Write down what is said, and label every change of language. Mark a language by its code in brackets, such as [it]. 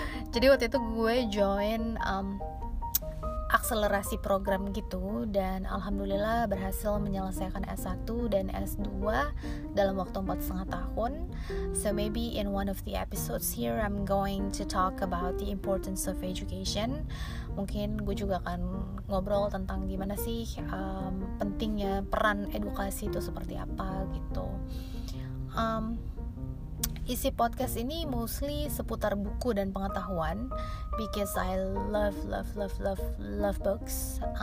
[id] Jadi waktu itu gue join akselerasi program gitu, dan alhamdulillah berhasil menyelesaikan S1 dan S2 dalam waktu 4.5 tahun. [en] So maybe in one of the episodes here I'm going to talk about the importance of education. [id] Mungkin gue juga akan ngobrol tentang gimana sih pentingnya peran edukasi itu seperti apa gitu. Isi podcast ini mostly seputar buku dan pengetahuan, [en] because I love books.